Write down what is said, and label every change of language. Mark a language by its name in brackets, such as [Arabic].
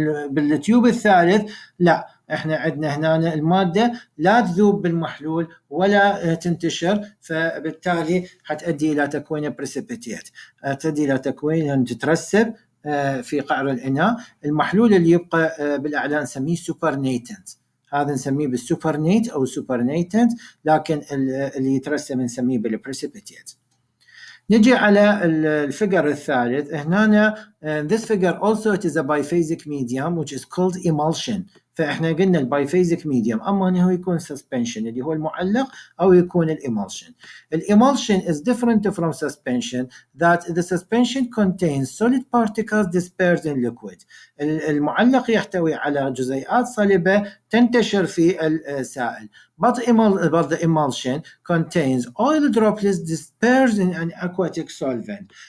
[Arabic] بالتيوب الثالث لا، احنا عندنا هنا المادة لا تذوب بالمحلول ولا تنتشر، فبالتالي حتأدي إلى تكوين precipitate، تأدي إلى تكوين تترسب في قعر الإناء. المحلول اللي يبقى بالأعلى نسميه supernatant، هذا نسميه بالسوبرنيت أو supernatant، لكن اللي يترسم نسميه بالprecipitate. نجي على الفيجر الثالث. هنا [English] this figure also it is a biphasic medium which is called emulsion. [Arabic] فإحنا قلنا البايفيزيك ميديوم أما أنه يكون سسبنشن اللي هو المعلق أو يكون الإمولشن. [English] الإمولشن is different from suspension that the suspension contains solid particles dispersed in liquid. [Arabic] المعلق يحتوي على جزيئات صلبة تنتشر في السائل. [English] But the emulsion contains oil droplets dispersed in an aquatic solvent.